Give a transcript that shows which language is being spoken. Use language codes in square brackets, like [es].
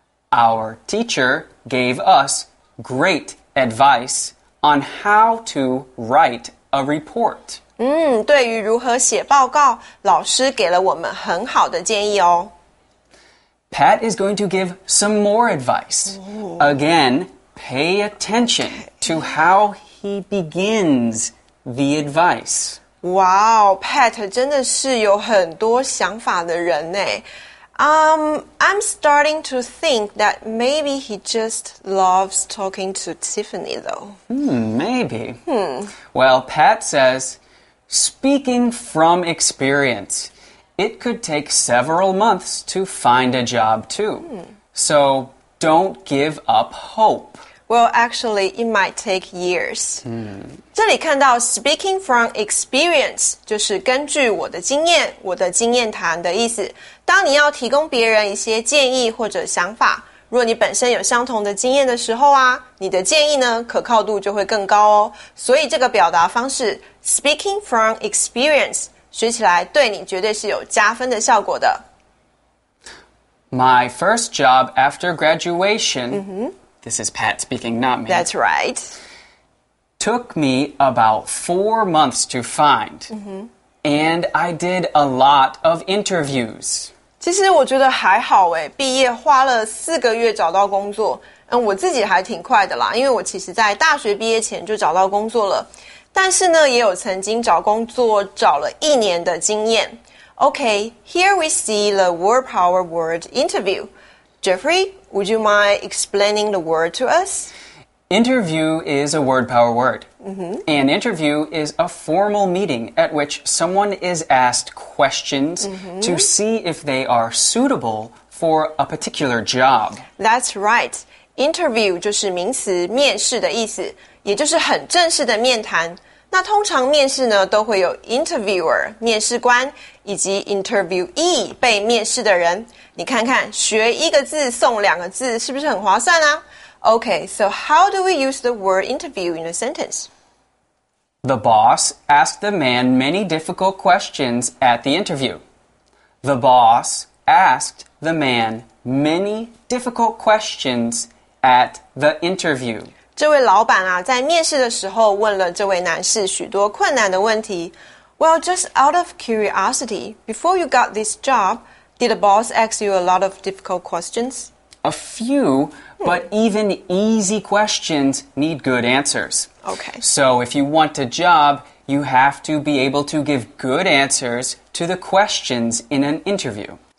[en] Our teacher gave us great advice on how to write a report. [zh] 对于如何写报告，老师给了我们很好的建议哦。 [en] Pat is going to give some more advice. Again, pay attention to how he begins the advice. [zh] Wow, Pat 真的是有很多想法的人耶。 [en] I'm starting to think that maybe he just loves talking to Tiffany, though. Maybe. Well, Pat says, speaking from experience, it could take several months to find a job, too. So don't give up hope. Well, actually, it might take years.、 [zh] 这里看到 [en] speaking from experience [zh] 就是根据我的经验，我的经验谈的意思。当你要提供别人一些建议或者想法，如果你本身有相同的经验的时候啊，你的建议呢，可靠度就会更高哦。所以这个表达方式 [en] speaking from experience [zh] 学起来对你绝对是有加分的效果的。 [en] My first job after graduation...、This is Pat speaking, not me. That's right. Took me about 4 months to find.、And I did a lot of interviews. [zh] 其实我觉得还好耶，毕业花了4个月找到工作。我自己还挺快的啦，因为我其实在大学毕业前就找到工作了。但是呢，也有曾经找工作找了1年的经验。 [en] Okay, here we see the word power word interview.Jeffrey, would you mind explaining the word to us? Interview is a word power word. An interview is a formal meeting at which someone is asked questions to see if they are suitable for a particular job. That's right. [zh] Interview 就是名词面试的意思，也就是很正式的面谈。那通常面试呢，都会有 interviewer 面试官以及 interviewee 被面试的人。你看看，学一个字送两个字，是不是很划算啊？ [en] Okay, so how do we use the word interview in a sentence? The boss asked the man many difficult questions at the interview. The boss asked the man many difficult questions at the interview. [zh] 这位老板啊，在面试的时候问了这位男士许多困难的问题。 [en] Well, just out of curiosity, before you got this job, did the boss ask you a lot of difficult questions? A few, but even easy questions need good answers. Okay. So if you want a job, you have to be able to give good answers to the questions in an interview.